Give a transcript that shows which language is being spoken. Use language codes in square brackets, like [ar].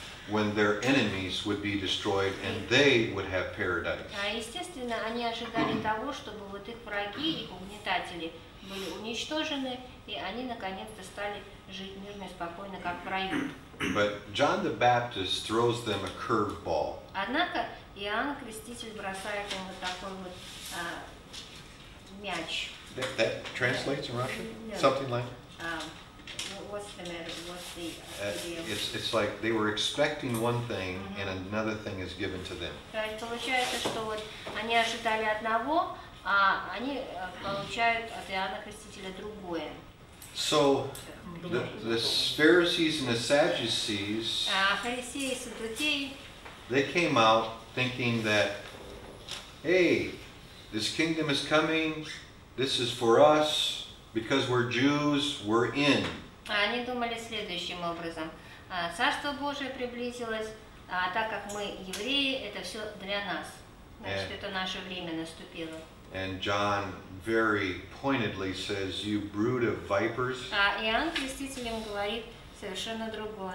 [en] When their enemies would be destroyed and they would have paradise. [ru] Естественно, они ожидали того, чтобы вот их враги и угнетатели были уничтожены, и они наконец-то стали жить мирно и спокойно, как в раю. [en] But John the Baptist throws them a curveball. [ru] Однако Иоанн Креститель бросает им вот такой вот мяч. [en] That translates in Russian? No. Something like it's like they were expecting one thing and another thing is given to them. [ru] Получается, что вот они ожидали одного, а они получают от Иоанна Крестителя другое. [en] So the Pharisees and the Sadducees, [ru] фарисеи и саддукеи, [en] they came out thinking that, hey, this kingdom is coming, this is for us, because we're Jews, we're in. [ru] Они думали следующим образом: Царство Божие приблизилось, а так как мы евреи, это все для нас. Значит, это наше время наступило. [en] And John very pointedly says, "You brood of vipers." [ru] А Иоанн Креститель им говорит совершенно другое.